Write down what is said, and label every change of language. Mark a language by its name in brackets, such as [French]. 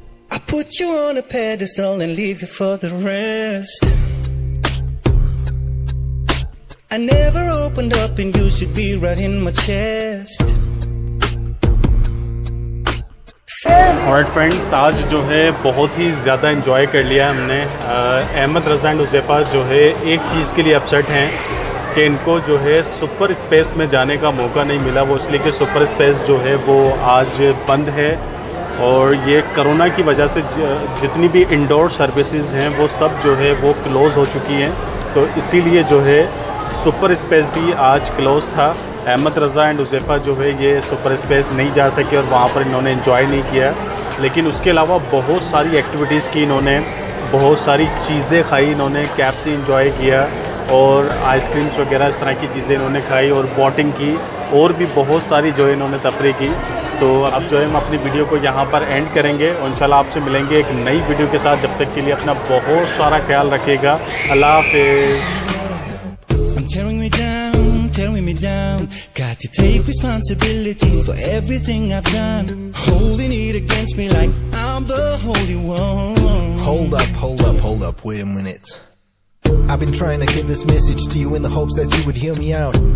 [English] I put you on a pedestal and leave you for the rest. I never opened up and you should be right in my chest. Alright friends, [Hindi] आज जो है बहुत ही ज़्यादा enjoy कर लिया हमने। अहमद रज़ा and Huzaifa जो है एक चीज़ के लिए अपसेट हैं कि इनको जो है सुपर स्पेस में जाने का मौका नहीं मिला, वो इसलिए कि सुपर स्पेस जो है वो आज बंद है और ये कोरोना की वजह से जितनी भी इंडोर सर्विसेज हैं वो सब जो है वो क्लोज हो चुकी हैं, तो इसीलिए जो है सुपर स्पेस भी आज क्लोज था। अहमद रज़ा एंड हुज़ैफ़ा जो है ये सुपर स्पेस नहीं जा सके और वहाँ पर इन्होंने इंजॉय नहीं किया, लेकिन उसके अलावा बहुत सारी एक्टिविटीज़ की इन्होंने, बहुत सारी चीज़ें खाई इन्होंने, कैप्सी इंजॉय किया और आइसक्रीम्स वगैरह इस तरह की चीज़ें इन्होंने खाई और बोटिंग की और भी बहुत सारी जो है इन्होंने तफरी की। तो अब जो है हम अपनी वीडियो को यहाँ पर एंड करेंगे, इंशाल्लाह आपसे मिलेंगे एक नई वीडियो के साथ। जब तक के लिए अपना बहुत सारा ख्याल रखिएगा, अल्लाह हाफिज़। [English] Tearing me down, tearing me down. Got to take responsibility for everything I've done. Holding it against me like I'm the holy one. Hold up, hold up, hold up, wait a minute. I've been trying to get this message to you in the hopes that you would hear me out.